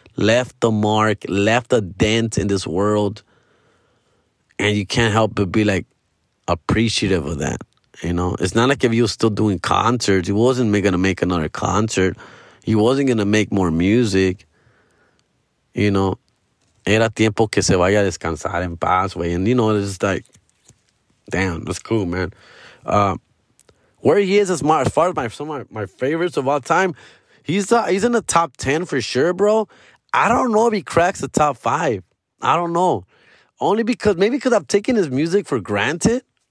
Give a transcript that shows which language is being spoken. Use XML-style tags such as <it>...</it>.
<en>Left the mark, left a dent in this world. And you can't help but be, like, appreciative of that, you know? It's not like if he was still doing concerts. He wasn't going to make another concert. He wasn't going to make more music, you know?</en> <es>Era tiempo que se vaya a descansar en paz, güey.</es> <en>And, you know, it's just like, damn, that's cool, man. Where he is as far as some of my favorites of all time, he's in the top 10 for sure, bro. I don't know if he cracks the top 5. I don't know. Only because, maybe because I've taken his music for granted.</en>